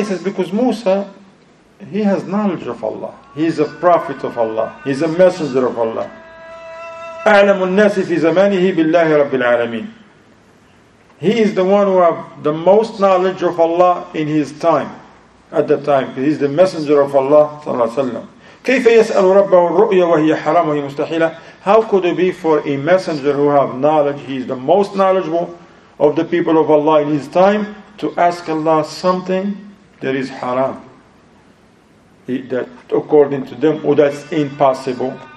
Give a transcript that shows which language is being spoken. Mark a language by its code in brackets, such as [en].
[en] He says because Musa, he has knowledge of Allah. He is a prophet of Allah. He is a messenger of Allah. [ar] أَعْلَمُ النَّاسِ فِي زَمَانِهِ بِاللَّهِ رَبِّ الْعَالَمِينَ. [en] He is the one who have the most knowledge of Allah in his time, at the time. He is the messenger of Allah, sallallahu alaihi wasallam. [ar] كيف يسأل ربه الرؤيا وهي حرام وهي مستحيلة. [en] How could it be for a messenger who have knowledge, he is the most knowledgeable of the people of Allah in his time, to ask Allah something that is haram, that according to them, oh, that's impossible.